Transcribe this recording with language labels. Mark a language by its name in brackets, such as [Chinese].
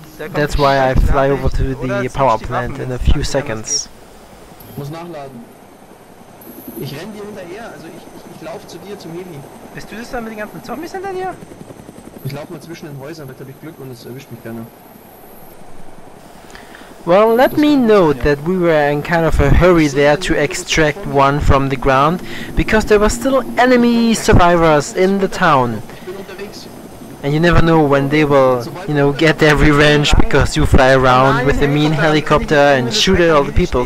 [English] That's why I fly over to the power plant in a few seconds. [German] Muss nachladen. Ich renn dir hinterher, also ich lauf zu dir zum Heli. Bist du das da mit den ganzen Zombies hinter dir? Ich lauf mal zwischen den Häusern, da hab ich Glück und es erwischt mich gerne. [English] Well, let me note that we were in kind of a hurry there to extract one from the ground, because there were still enemy survivors in the town. And you never know when they will, you know, get their revenge because you fly around with a mean helicopter and shoot at all the people.